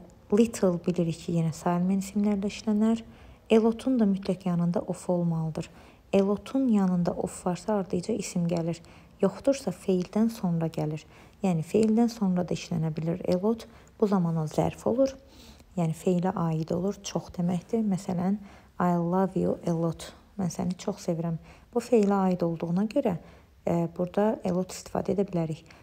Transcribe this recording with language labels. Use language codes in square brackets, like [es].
[az] Little bilirik ki, yenə sayılmayan isimlərlə işlənər. A lot-un da mütləq yanında of olmalıdır. A lot-un yanında of varsa ardıca isim gəlir. Yoxdursa feildən sonra gəlir. Yəni, feildən sonra da işlənə bilir a lot. Bu zaman o zərf olur. Yəni, feilə aid olur. Çox deməkdir. Məsələn, [en] I love you a lot. [az] Mən səni çox sevirəm. Bu feilə aid olduğuna görə burada a lot istifadə edə bilərik.